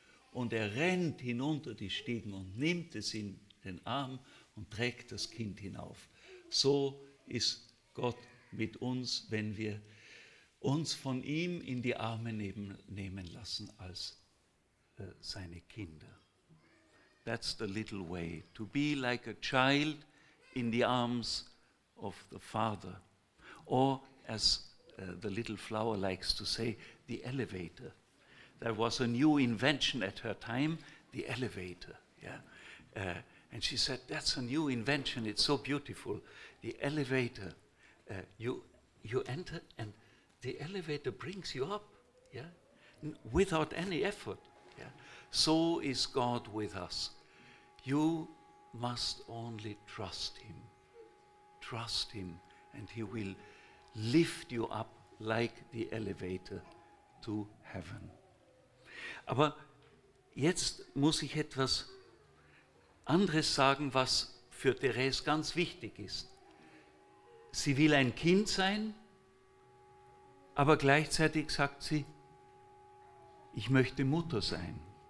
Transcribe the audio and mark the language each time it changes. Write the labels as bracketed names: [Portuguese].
[German] Und er rennt hinunter die Stiegen und nimmt es in den Arm und trägt das Kind hinauf. So ist Gott mit uns, wenn wir uns von ihm in die Arme nehmen lassen als seine Kinder. [English] That's the little way, to be like a child in the arms of the Father. Or as the little flower likes to say, the elevator. There was a new invention at her time, the elevator. Yeah. And she said, that's a new invention, it's so beautiful. The elevator, you enter and the elevator brings you up, yeah, without any effort. Yeah. So is God with us. You must only trust him. Trust him and he will lift you up like the elevator to heaven. [German] Aber jetzt muss ich etwas anderes sagen, was für Therese ganz wichtig ist. Sie will ein Kind sein, aber gleichzeitig sagt sie, ich möchte Mutter sein.